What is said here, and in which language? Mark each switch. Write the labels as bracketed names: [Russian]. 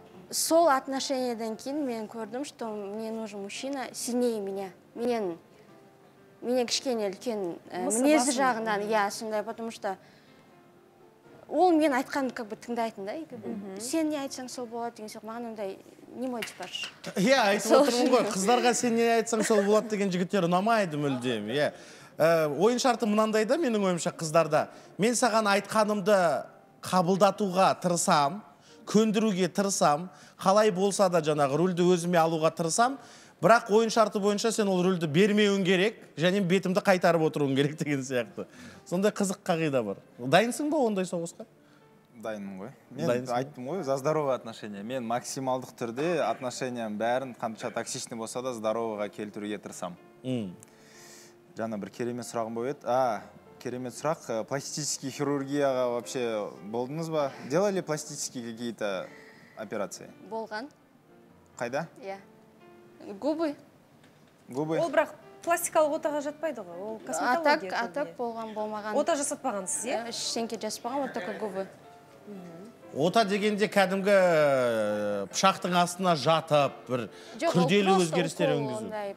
[Kazakh] Сол отношениеден кейін мен көрдім, [Russian] что мне нужен мужчина сильнее меня. [Kazakh] Менен кішкене үлкен мінезі жағынан, иә, сондай, [Russian] потому что [Kazakh] ол мен айтқан, [Russian] как бы, [Kazakh] тыңдайтын, да? Сен не айтсаң, сол болады деген сияқты, маған ондай [Russian] не мой типаж. Я, это вот другой. [Kazakh] Қыздарға сен не айтсаң, сол болады деген жігіттер ұнамайды мүлдем. Ойын шарты мынандай да менің ойымша қыздарда. Мен саған айтқанымды қабылдатуға тырысам, көндіруге тырысам, қалай болса да жаңағы рөлді өзіме алуға тырысам, бірақ ойын шарты бойынша сен ол рөлді бермеуің керек, және бетімді қайтарып отыруың керек деген сияқты. Сонда қызық қағида бар. Дайынсың ба ондай соғысқа? Дайынмын ғой. Мен айттым ғой, [Russian] за здоровые отношения. [Kazakh] Мен максималдық түрде отношениям бәрін қанша [Russian] токсичный [Kazakh] болса да здоровыға келтіруге тырысам. Жаңа бір керемет сұрағым болып еді. Керемет сұрақ, [Russian] пластический [Kazakh] хирургияға [Russian] вообще [Kazakh] болдыңыз ба? [Russian] Делали пластические какие-то операции? [Kazakh] Болған. Қайда? Иә. [Russian] Губы. Губы. [Kazakh] Ол бірақ пластикалық отаға жатпайды ғой. Ол косметология. А так болған болмаған. Ота жасатпағансыз, иә? Ештеңке жасатпаған, [Russian] вот только губы. [Kazakh] Ота дегенде кәдімгі пышақтың астына жатып, бір күрделі өзгерістер енгізу.